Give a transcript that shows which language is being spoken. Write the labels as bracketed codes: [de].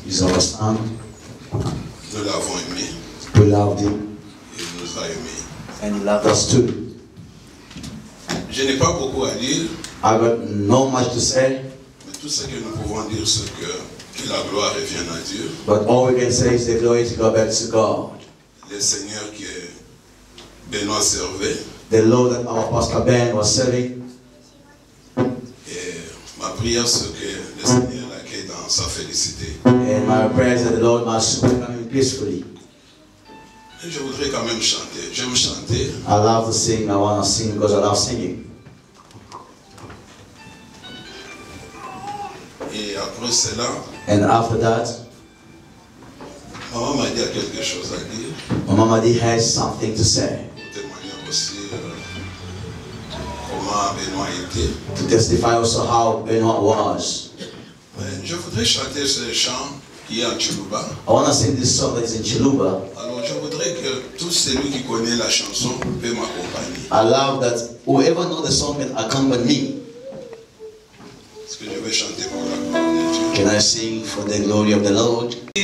[en] He's our son. [fr] Nous l'avons aimé. [en] We loved him. [fr] Il nous a aimé. [en] And he loved us too. [fr] Je n'ai pas beaucoup à dire. [en] I got not much to say. [fr] Mais tout ce que nous pouvons dire, c'est que la gloire revient à Dieu. [en] But all we can say is the glory to go back to God. [fr] Le Seigneur que Benoît servait. [en] The Lord that our pastor Ben was serving. [fr] Et ma prière, c'est que le Seigneur l'accueille dans sa félicité. [en] And my prayer is that the Lord must welcome him peacefully. [fr] Et je voudrais quand même chanter. J'aime chanter. [en] I love to sing. I want to sing because I love singing. [fr] Et après cela. [en] And after that, [fr] maman m'a dit quelque chose à dire. [en] Mama Madi has something to say. [fr] Aussi, comment Benoît était. [en] To testify also how Benoît was. [fr] Mais je voudrais chanter ce chant qui est en Chiluba. [en] I want to sing this song that is in Chiluba. [fr] Alors je voudrais que tout celui qui connaît la chanson puisse m'accompagner. [en] I love that whoever knows the song can accompany me. [fr] Est-ce que je vais chanter pour la gloire? [en] Can I sing for the glory of the Lord?